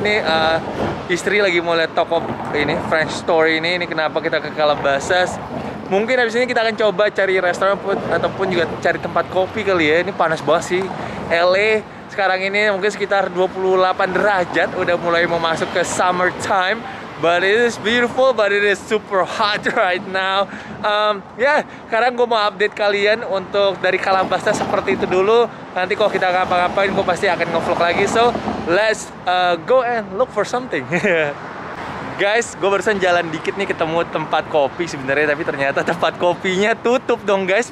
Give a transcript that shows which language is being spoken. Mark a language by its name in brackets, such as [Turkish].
[Indonesian] Ini istri lagi mau lihat toko ini, French Story ini. Ini kenapa kita ke Calabasas. Mungkin habis ini kita akan coba cari restoran ataupun juga cari tempat kopi kali ya. Ini panas banget sih LA sekarang ini, mungkin sekitar 28 derajat. Udah mulai mau masuk ke summer time. [English] But it is beautiful, but it is super hot right now. [Indonesian] Sekarang gue mau update kalian untuk dari Calabasas seperti itu dulu. Nanti kalau kita ngapa-ngapain, gue pasti akan nge-vlog lagi. [English] So, let's go and look for something. [Indonesian] Guys, gue barusan jalan dikit nih ketemu tempat kopi sebenarnya, tapi ternyata tempat kopinya tutup dong guys.